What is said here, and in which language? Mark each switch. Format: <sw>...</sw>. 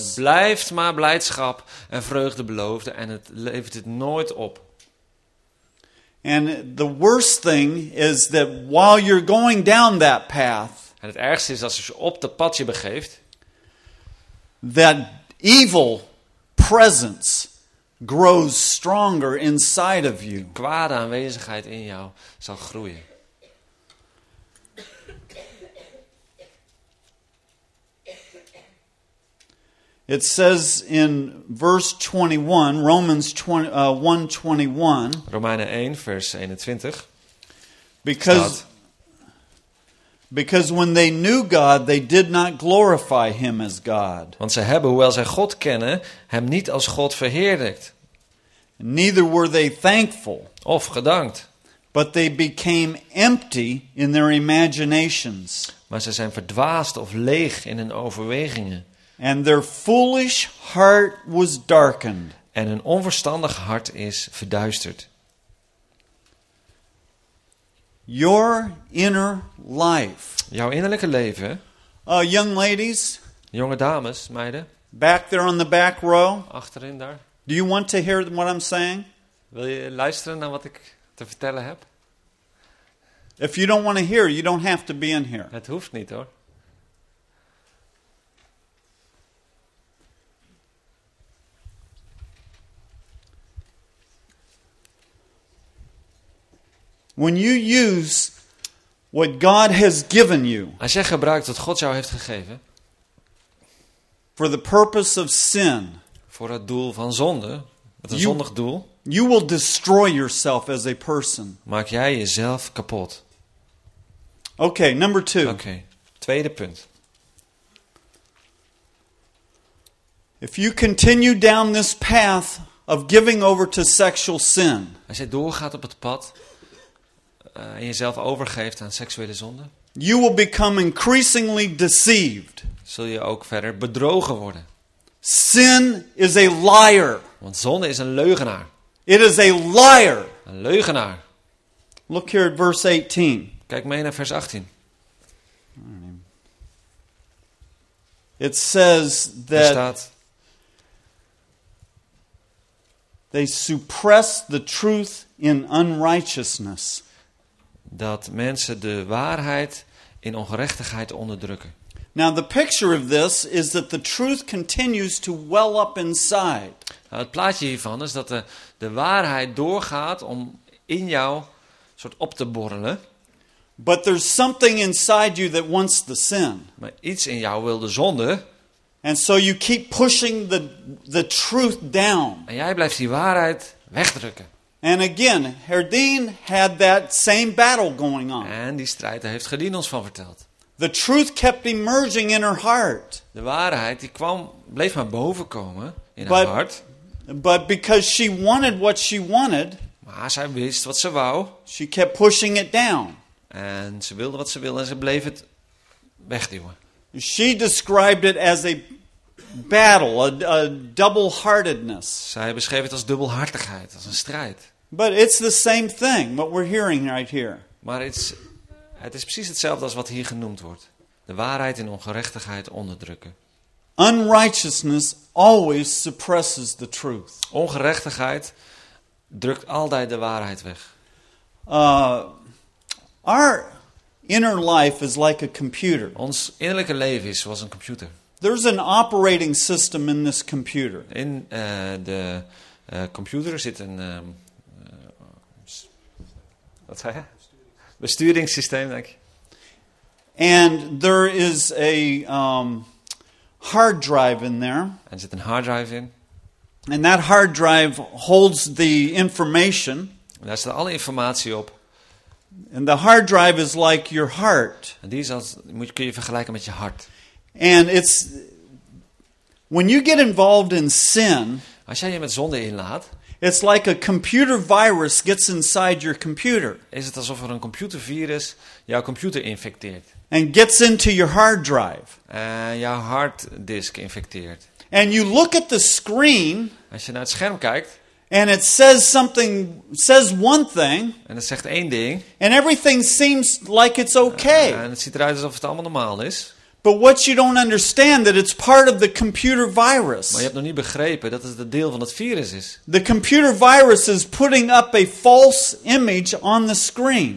<nl>En het blijft maar blijdschap en vreugde beloofde en het levert het nooit op.</nl> <en>And the worst thing is that while you're going down that path.</en> <nl>En het ergste is als je op de pad je begeeft.</nl> <en>That evil presence grows stronger inside of you.</en> <nl>De kwade aanwezigheid in jou zal groeien.</nl> <en>It says in verse 21, Romans 1:21.</en> <nl>Romeinen 1 vers 21.</nl> <en>Because when they knew God, they did not glorify him as God.</en> <nl>Want ze hebben, hoewel zij God kennen, hem niet als God verheerlijkt.</nl> <en>Neither were they thankful.</en> <nl>Of gedankt.</nl> <en>But they became empty in their imaginations.</en> <nl>Maar ze zijn verdwaasd of leeg in hun overwegingen.</nl> <en>And their foolish heart was darkened.</en> <nl>En hun onverstandig hart is verduisterd.</nl> <en>Your inner life.</en> <nl>Jouw innerlijke leven.</nl> <en>Young ladies.</en> <nl>Jonge dames, meiden.</nl> <en>Back there on the back row.</en> <nl>Achterin daar.</nl> <en>Do you want to hear what I'm saying?</en> <nl>Wil je luisteren naar wat ik te vertellen heb?</nl> <en>If you don't want to hear, you don't have to be in here.</en> <nl>Het hoeft niet hoor.</nl> <en>When you use what God has given you,</en> <nl>als jij gebruikt wat God jou heeft gegeven,</nl> <en>for the purpose of sin,</en> <nl>voor het doel van zonde, het een zondig doel,</nl> <en>you will destroy yourself as a person.</en> <nl>Maak jij jezelf kapot.</nl> <en>Okay, number two.</en> <nl>Okay, tweede punt.</nl> <en>If you continue down this path of giving over to sexual sin,</en> <nl>als jij doorgaat op het pad en jezelf overgeeft aan seksuele zonde.</nl> <en>You will become increasingly deceived.</en> <nl>Zul je ook verder bedrogen worden.</nl> <en>Sin is a liar.</en> <nl>Want zonde is een leugenaar.</nl> <en>It is a liar.</en> <nl>Een leugenaar.</nl> <en>Look here at verse 18.</en> <nl>Kijk mee naar vers 18.</nl> <en>It says that.</en> <nl>Er staat.</nl> <en>They suppress the truth in unrighteousness.</en> <nl>Dat mensen de waarheid in ongerechtigheid onderdrukken.</nl> <en>Now the picture of this is that the truth continues to well up inside.</en> <nl>Nou, het plaatje hiervan is dat de waarheid doorgaat om in jou soort op te borrelen.</nl> <en>But there's something inside you that wants the sin.</en> <nl>Maar iets in jou wil de zonde.</nl> <en>And so you keep pushing the truth down.</en> <nl>En jij blijft die waarheid wegdrukken.</nl> <en>And again, Herdien had that same battle going on.</en> <nl>En die strijd heeft Gerdien ons van verteld.</nl> <en>The truth kept emerging in her heart.</en> <nl>De waarheid die kwam, bleef maar boven komen in haar hart.</nl> <en>But because she wanted what she wanted,</en> <nl>maar zij wist wat ze wou.</nl> <en>She kept pushing it down.</en> <nl>En ze wilde wat ze wilde en ze bleef het wegduwen.</nl> <en>She described it as a battle, a double-heartedness.</en> <nl>Zij beschreef het als dubbelhartigheid, als een strijd.</nl> <en>But it's the same thing what we're hearing right here.</en> <nl>Maar het is precies hetzelfde als wat hier genoemd wordt. De waarheid in ongerechtigheid onderdrukken.</nl> <en>Unrighteousness always suppresses the truth.</en> <nl>Ongerechtigheid drukt altijd de waarheid weg.</nl> <en>Our inner life is like a computer.</en> <nl>Ons innerlijke leven is zoals een computer.</nl> <en>There's an operating system in this computer.</en> <nl>In de computer zit een wat zei je? Besturingssysteem, denk ik.</nl> <en>And there is a hard drive in there.</en> <nl>En zit een hard drive in.</nl> <en>And that hard drive holds the information.</en> <nl>Daar staat alle informatie op.</nl> <en>And the hard drive is like your heart.</en> <nl>En die is als, kun je vergelijken met je hart.</nl> <en>And it's when you get involved in sin.</en> <nl>Als jij je met zonde inlaat.</nl> <en>It's like a computer virus gets inside your computer.</en> <nl>Is het alsof er een computervirus jouw computer infecteert?</nl> <en>And gets into your hard drive.</en> <nl>Jouw harddisk infecteert.</nl> <en>And you look at the screen.</en> <nl>Als je naar het scherm kijkt.</nl> <en>And it says something, says one thing.</en> <nl>En het zegt één ding.</nl> <en>And everything seems like it's okay.</en> <nl>En het ziet eruit alsof het allemaal normaal is.</nl> <en>But what you don't understand that it's part of the computer virus.</en> <nl>Maar je hebt nog niet begrepen dat het een deel van het virus is.</nl> <en>The computer virus is putting up a false image on the screen.</en>